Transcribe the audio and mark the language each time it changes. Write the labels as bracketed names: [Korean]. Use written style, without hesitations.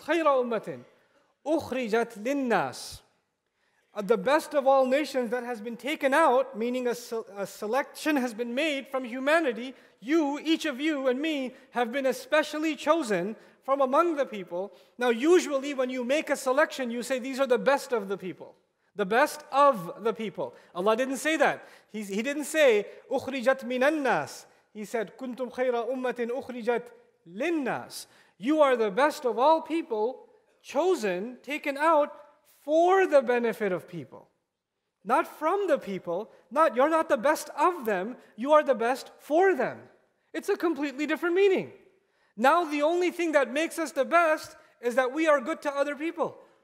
[Arabic] Khayra ummatin, ukhrijat linnas, [English] the best of all nations that has been taken out, meaning a selection has been made from humanity. You, each of you and me, have been especially chosen from among the people. Now, usually when you make a selection, you say these are the best of the people. The best of the people. Allah didn't say that. He didn't say, [Arabic] أُخْرِجَتْ مِنَ النَّاسِ. [English] He said, [Arabic] كُنْتُمْ خَيْرَ أُمَّةٍ أُخْرِجَتْ لِلنَّاسِ. [English] You are the best of all people, chosen, taken out, for the benefit of people. Not from the people. Not, you're not the best of them. You are the best for them. It's a completely different meaning. Now the only thing that makes us the best is that we are good to other people.